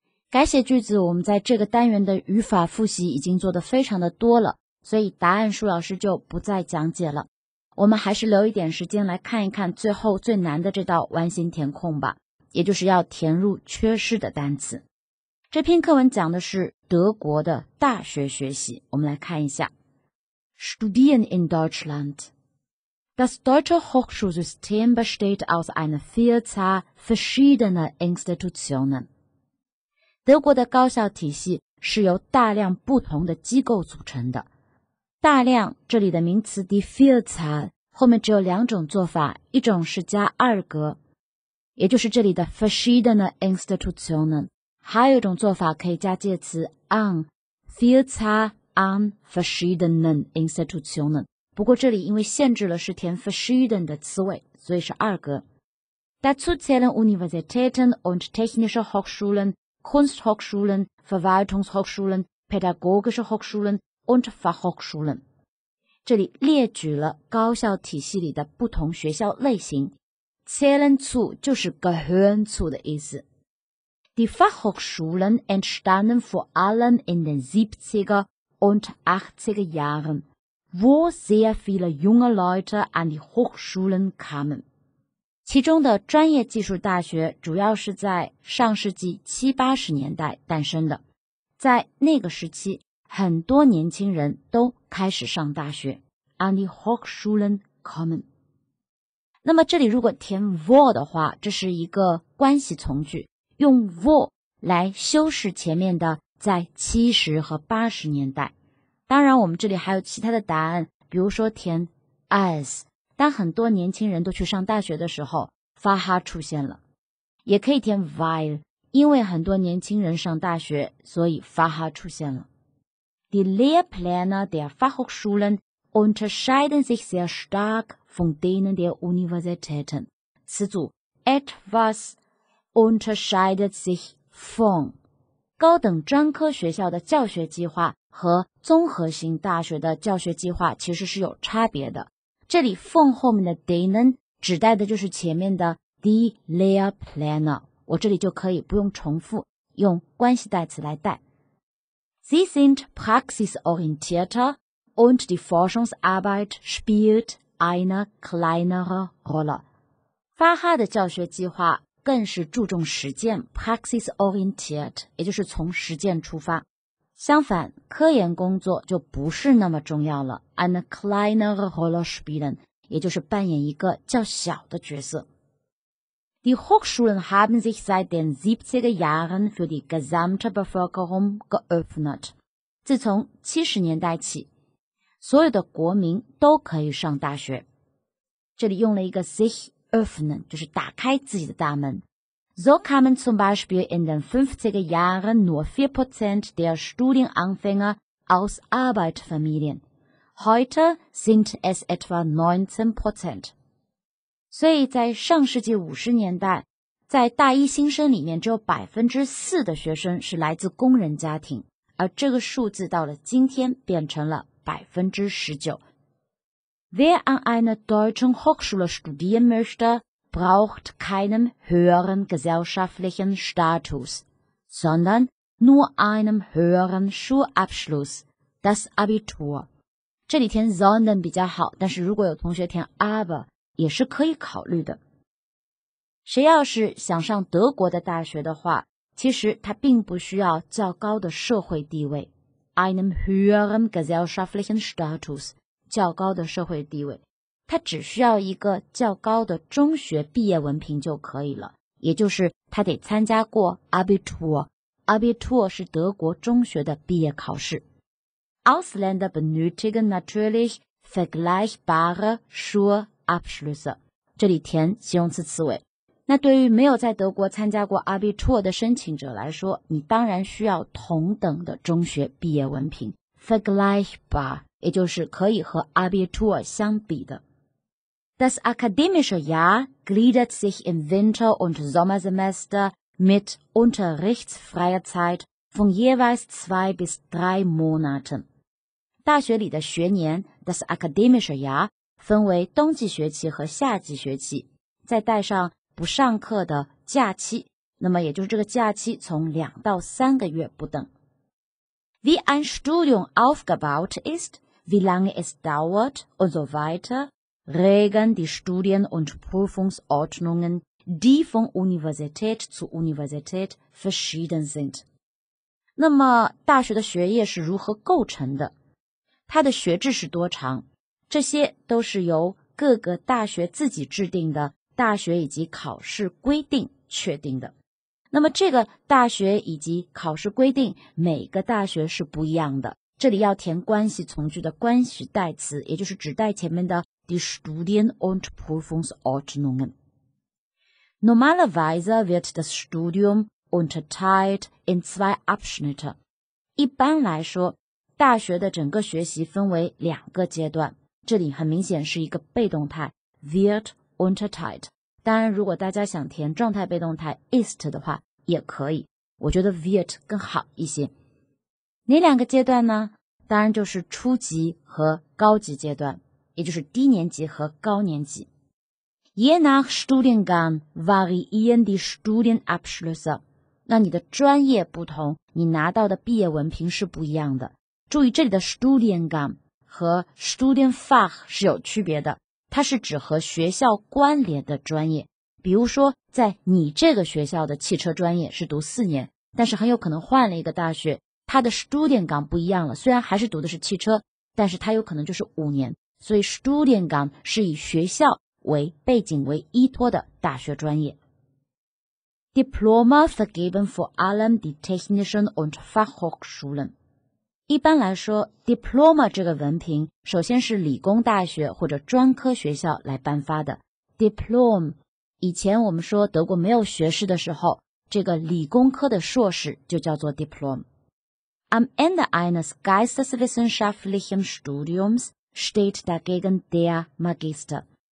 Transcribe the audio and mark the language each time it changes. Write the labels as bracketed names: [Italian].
[Chinese] 改写句子我们在这个单元的语法复习已经做得非常的多了，所以答案舒老师就不再讲解了。我们还是留一点时间来看一看最后最难的这道完形填空吧，也就是要填入缺失的单词。这篇课文讲的是德国的大学学习，我们来看一下。 [German] Studieren in Deutschland. Das deutsche Hochschulsystem besteht aus einer Vielzahl verschiedener Institutionen. [Chinese] 德国的高校体系是由大量不同的机构组成的。大量这里的名词 [German] die Vielzahl [Chinese] 后面只有两种做法，一种是加二格，也就是这里的 [German] verschiedene Institutionen， [Chinese] 还有一种做法可以加介词 an， [German] Vielzahl an verschiedenen Institutionen， [Chinese] 不过这里因为限制了是填 verschieden 的词尾，所以是二格。 [German] Dazu zählen Universitäten und Technische Hochschulen, Kunsthochschulen, Verwaltungshochschulen, Pädagogische Hochschulen und Fachhochschulen。 [Chinese] 这里列举了高校体系里的不同学校类型， [German] Zählen zu [Chinese] 就是 [German] gehören zu [Chinese] 的意思。 [German] Die Fachhochschulen entstanden vor allem in den 70er und 80er Jahren, wo sehr viele junge Leute an die Hochschulen kamen. [Chinese] 其中的专业技术大学主要是在上世纪七八十年代诞生的，在那个时期很多年轻人都开始上大学。 [German] An die Hochschulen kommen。 [Chinese] 那么这里如果填 wo 的话，这是一个关系从句，用 wo 来修饰前面的在70和80年代。当然我们这里还有其他的答案，比如说填 as， 当很多年轻人都去上大学的时候 faha 出现了。也可以填 while， 因为很多年轻人上大学，所以 faha 出现了。 [German] Die Lehrpläne der Fachhochschulen unterscheiden sich sehr starkvon denen der Universitäten. [Chinese] 此组 [German] etwas unterscheidet sich von [Chinese] 高等专科学校的教学计划和综合型大学的教学计划其实是有差别的。这里 von 后面的 denen 指代的就是前面的 [German] die Lehrpläne， [Chinese] 我这里就可以不用重复，用关系代词来代。 [German] Sie sind praxisorientierter und die Forschungsarbeit spielt eine kleinere Rolle. [Chinese] Faha 的教学计划更是注重实践， [English] praxis oriented， [Chinese] 也就是从实践出发。相反，科研工作就不是那么重要了， [German] eine kleinere Rolle spielen， [Chinese] 也就是扮演一个较小的角色。 Die Hochschulen haben sich seit den 70er Jahren für die gesamte Bevölkerung geöffnet. 自从70年代起，所有的国民都可以上大学。这里用了一个 [German] sich öffnen， [Chinese] 就是打开自己的大门。 [German] So kamen zum Beispiel in den 50er Jahren nur 4% der Studienanfänger aus Arbeiterfamilien. Heute sind es etwa 19%. [Chinese] 所以在上世纪50年代，在大一新生里面只有 4% 的学生是来自工人家庭，而这个数字到了今天变成了19%. [German] Wer an einer deutschen Hochschule studieren möchte, braucht keinen höheren gesellschaftlichen Status, sondern nur einen höheren Schulabschluss, das Abitur. [Chinese] 这里填 sondern 比较好，但是如果有同学填 aber 也是可以考虑的。谁要是想上德国的大学的话，其实他并不需要较高的社会地位。 [German] Einem höheren gesellschaftlichen Status， [Chinese] 较高的社会地位，他只需要一个较高的中学毕业文凭就可以了，也就是他得参加过 Abitur， 是德国中学的毕业考试。 [German] Ausländer benötigen natürlich vergleichbare Schulabschlüsse， [Chinese] 这里填形容词词尾。那对于没有在德国参加过 Abitur 的申请者来说，你当然需要同等的中学毕业文凭， [German] vergleichbar， [Chinese] 也就是可以和 Abitur 相比的。 [German] Das akademische Jahr gliedert sich im Winter- und Sommersemester mit unterrichtsfreier Zeit von jeweils 2-3 Monaten. [Chinese] 大学里的学年 [German] das akademische Jahr [Chinese] 分为冬季学期和夏季学期，再带上不上课的假期，那么也就是这个假期从两到三个月不等。 Wie ein Studium aufgebaut ist, wie lange es dauert und so weiter, regeln die Studien- und Prüfungsordnungen, die von Universität zu Universität verschieden sind. 那么大学的学业是如何构成的？它的学制是多长？这些都是由各个大学自己制定的大学以及考试规定确定的。那么这个大学以及考试规定每个大学是不一样的。这里要填关系从句的关系代词，也就是指代前面的 [German] die Studien- und Prüfungsordnungen。 Normalerweise wird das Studium unterteilt in zwei Abschnitte. [Chinese] 一般来说，大学的整个学习分为两个阶段。这里很明显是一个被动态 [German] wird unterteilt。 [Chinese] 当然，如果大家想填状态被动态 ist 的话，也可以。我觉得 wird 更好一些。哪两个阶段呢？当然就是初级和高级阶段，也就是低年级和高年级。 [German] Je nach Studiengang variieren die Studienabschlüsse. [Chinese] 那你的专业不同，你拿到的毕业文凭是不一样的。注意这里的 Studiengang 和 Studienfach 是有区别的，它是指和学校关联的专业。比如说在你这个学校的汽车专业是读四年，但是很有可能换了一个大学，它的 Studiengang 不一样了，虽然还是读的是汽车，但是它有可能就是五年。所以 Studiengang 是以学校为背景为依托的大学专业。 [German] Diploma vergeben vor allem die technischen und Fachhochschulen。 [Chinese] 一般来说 ,diploma 这个文凭首先是理工大学或者专科学校来颁发的。 Diplom, 以前我们说德国没有学士的时候，这个理工科的硕士就叫做 Diplom。 [German] Am Ende eines geisteswissenschaftlichen Studiums steht dagegen der Magister。